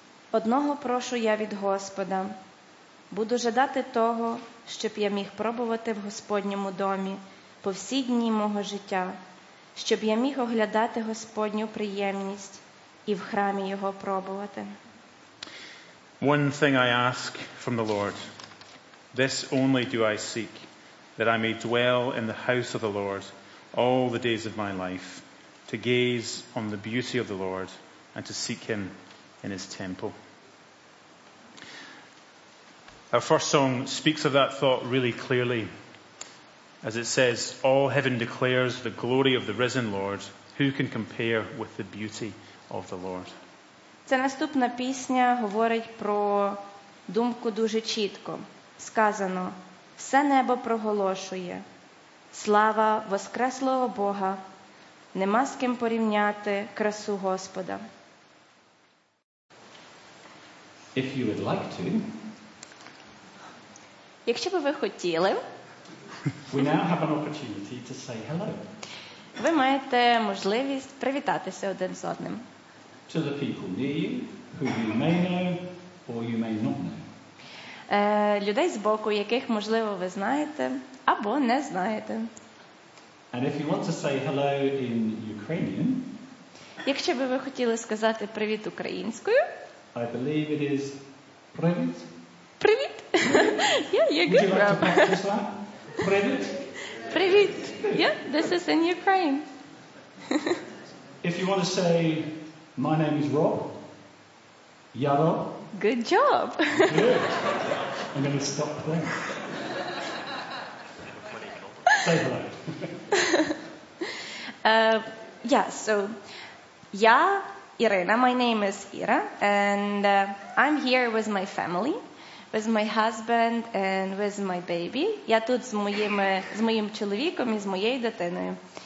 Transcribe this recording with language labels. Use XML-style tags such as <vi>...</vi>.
<uk>Одного прошу я від Господа. Буду жадати того, щоб я міг пробувати в Господньому домі по всі дні мого життя, щоб я міг оглядати Господню приємність і в храмі Його пробувати.</uk> <en>One thing I ask from the Lord. This only do I seek, that I may dwell in the house of the Lord all the days of my life, to gaze on the beauty of the Lord and to seek him in his temple. Our first song speaks of that thought really clearly, as it says, all heaven declares the glory of the risen Lord. Who can compare with the beauty of the Lord?</en> <uk>Ця наступна пісня говорить про думку дуже чітко. Сказано, все небо проголошує, слава воскреслого Бога, нема з ким порівняти красу Господа.</uk> <en>If you would like to.</en> <uk>Якщо би ви хотіли.</uk> <en>We now have an opportunity to say hello.</en> <uk>Ви маєте можливість привітатися один з одним.</uk> <en>To the people near you, who you may know, or you may not know.</en> <uk>Людей з боку, яких, можливо, ви знаєте, або не знаєте.</uk> <en>And if you want to say hello in Ukrainian,</en> <uk>якщо би ви хотіли сказати привіт українською,</uk> <en>I believe it is привіт.</en> <uk>Привіт.</uk> <en>Yeah, you're good. Would you like to practice that?</en> <uk>Привіт.</uk> <en>Привіт. Yeah, this is in Ukraine. If you want to say, my name is Rob.</en> <uk>Я Роб.</uk> <en>Good job. Good. I'm going to stop playing. Say hello. So,</en> <uk>я Ірина.</uk> <en>My name is Ira, and I'm here with my family, with my husband and with my baby.</en> <uk>Я тут з моїм чоловіком і з моєю дитиною.</uk>